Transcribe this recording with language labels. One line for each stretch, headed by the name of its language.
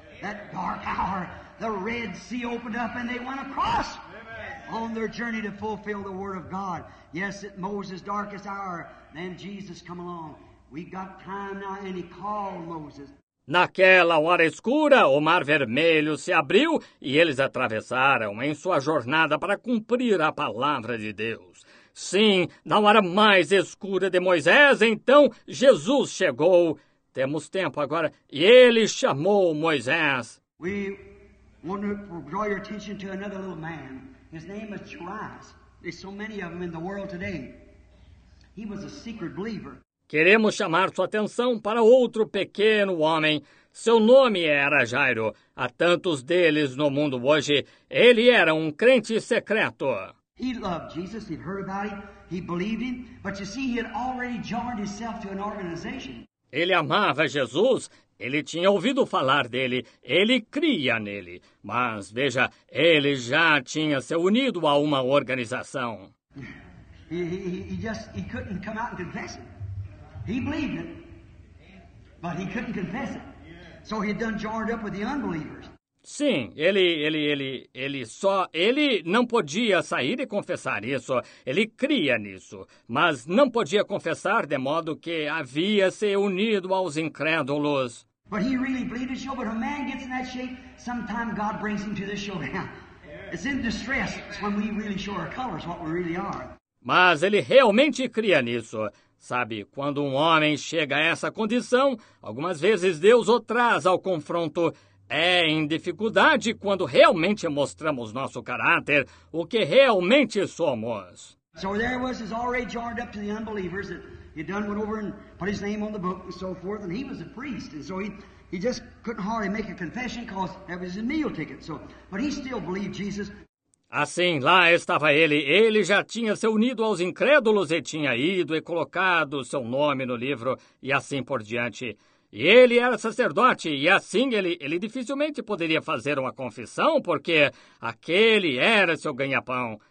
English: That dark hour, the Red Sea opened up and they went across. On their journey to fulfill the word of God. Yes, at Moses' darkest hour, then Jesus come along. We got time now, and he called Moses.
Portuguese: Naquela hora escura, o mar vermelho se abriu e eles atravessaram em sua jornada para cumprir a palavra de Deus. Sim, na hora mais escura de Moisés, então Jesus chegou. Temos tempo agora. E ele chamou Moisés.
English: We want to draw your attention to another little man. His name is Jairus. There's so many of them in the world today. He was a secret believer.
Portuguese: Queremos chamar sua atenção para outro pequeno homem. Seu nome era Jairo. Há tantos deles no mundo hoje. Ele era um crente secreto.
English: He loved Jesus. He'd heard about him. He believed him. But you see, he had already joined himself to an organization.
Portuguese: Ele amava Jesus. Ele tinha ouvido falar dele, ele cria nele. Mas, veja, ele já tinha se unido a uma organização.
English: He couldn't come out and confess it. He believed it, but he couldn't confess it. So he done joined up with the unbelievers.
Portuguese: Sim, ele não podia sair e confessar isso. Ele cria nisso, mas não podia confessar de modo que havia se unido aos incrédulos.
English: But he really believed it, but a man gets in that shape, sometimes God brings him to the showdown. It's in distress, it's when we really show our colors what we really are.
Portuguese: Mas ele realmente cria nisso. Sabe, quando um homem chega a essa condição, algumas vezes Deus o traz ao confronto. É em dificuldade quando realmente mostramos nosso caráter, o que realmente somos.
English: So there was his already joined up to the unbelievers that he done went over and put his name on the book and so forth, and he was a priest, and so he just couldn't hardly make a confession because that was his meal ticket. So, but he still believed Jesus.
Portuguese: Assim, lá estava ele. Ele já tinha se unido aos incrédulos e tinha ido e colocado seu nome no livro e assim por diante. E ele era sacerdote e assim ele dificilmente poderia fazer uma confissão porque aquele era seu ganha-pão.